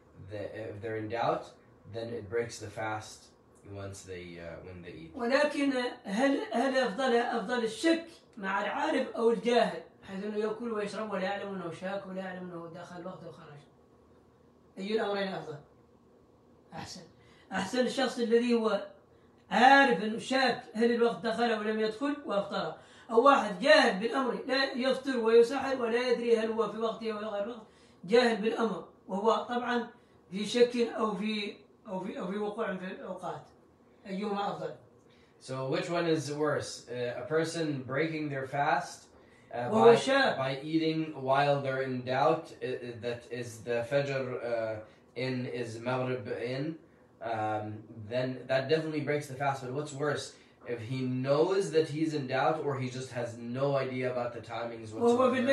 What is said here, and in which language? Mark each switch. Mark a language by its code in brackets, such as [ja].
[en] If they're in doubt, then it breaks the fast once they when they eat. [ar] ولكن هل أفضل الشك مع العارف أو الجاهل حيث إنه يأكل ويشرب ولا يعلم إنه شاك ولا يعلم إنه دخل وقت وخرج أي الأمرين أفضل أحسن أحسن الشخص الذي هو عارف أنه شاك هل الوقت دخل أو لم يدخل وأفطر أو واحد جاهل بالأمر لا يفطر ويسحر ولا يدري هل هو في وقته أو غير وقت جاهل بالأمر وهو طبعا في شك أو في وقوع في الأوقات أيهما أفضل [en] So which one is worse? A person breaking their fast by eating while they're in doubt that is the Fajr is Maghrib in then that definitely breaks the fast. But what's worse, if he knows that he's in doubt or he just has no idea about the timings whatsoever.